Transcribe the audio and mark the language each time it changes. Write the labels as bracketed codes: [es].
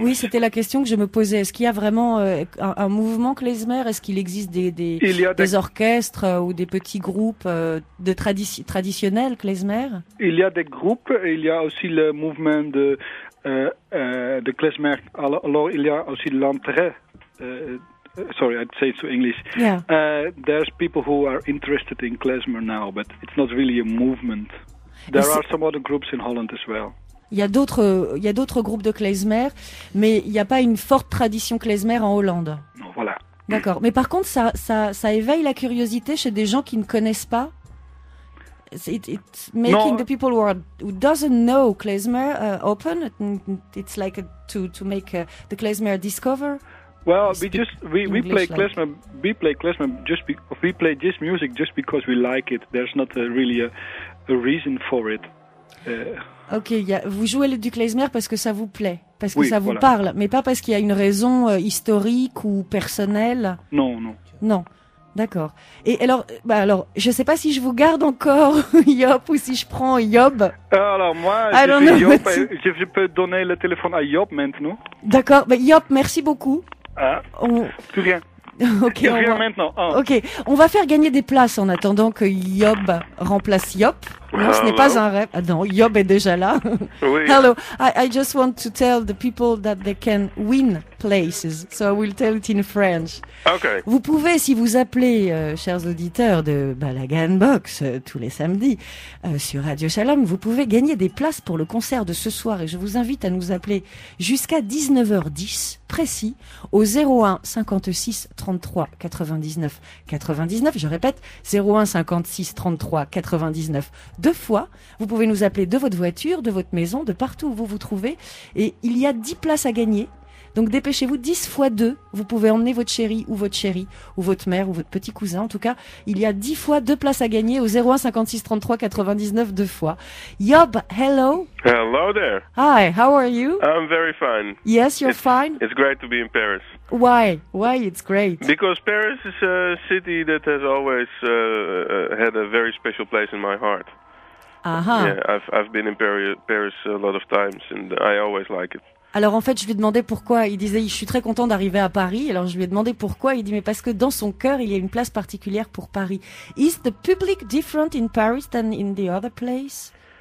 [fr] Oui, c'était la question que je me posais. Est-ce qu'il y a vraiment un mouvement klezmer? Est-ce qu'il existe des orchestres ou des petits groupes de traditionnels klezmer? Il y a des groupes et il y a aussi le mouvement de klezmer. Alors il y a aussi l'intérêt. [en] Sorry, I'd say it to English. Yeah. There's people who are interested in klezmer now, but it's not really a movement. There are some other groups in Holland as well. [fr] Il y a d'autres groupes de klezmer, mais il n'y a pas une forte tradition klezmer en Hollande. Voilà. D'accord. Mais par contre, ça éveille la curiosité chez des gens qui ne connaissent pas. [en] It's making the people who doesn't know klezmer open. It's like to make the klezmer discover. Well, we play this music just because we like it. There's not really a reason for it. [fr] Vous jouez du klezmer parce que ça vous plaît, parce que oui, ça vous voilà. parle, mais pas parce qu'il y a une raison historique ou personnelle. Non, non. Non. D'accord. Et alors, je ne sais pas si je vous garde encore, Yop, ou si je prends Yop. Alors, moi, je peux donner le téléphone à Yop maintenant. D'accord. Mais Yop, merci beaucoup. Ah, plus rien. Okay, rien va... maintenant. Oh. Ok, on va faire gagner des places en attendant que Yob remplace Yop. Non, ce n'est pas un rêve. Ah non, Yob est déjà là. Oui. [en] Hello, I just want to tell the people that they can win places. So I will tell it in French. Okay. [fr] Vous pouvez, si vous appelez, chers auditeurs de Balagan Box, tous les samedis, sur Radio Shalom, vous pouvez gagner des places pour le concert de ce soir. Et je vous invite à nous appeler jusqu'à 19h10, précis, au 01 56 33 99 99. Je répète, 01 56 33 99 deux fois. Vous pouvez nous appeler de votre voiture, de votre maison, de partout où vous vous trouvez. Et il y a 10 places à gagner. Donc dépêchez-vous, 10 fois 2, vous pouvez emmener votre chérie, ou votre mère, ou votre petit cousin. En tout cas, il y a 10 fois 2 places à gagner au 01 56 33 99 deux fois. [en] Yob, hello. Hello there. Hi, how are you? I'm very fine. Yes, you're fine. It's great to be in Paris. Why? Why it's great? Because Paris is a city that has always had a very special place in my heart. Uh-huh. Yeah, I've been in Paris a lot of times and I always like it. [fr] Alors en fait, je lui ai demandé pourquoi, il disait « je suis très content d'arriver à Paris ». Alors je lui ai demandé pourquoi, il dit « mais parce que dans son cœur, il y a une place particulière pour Paris ». [en] Is the public different in Paris than in the other place?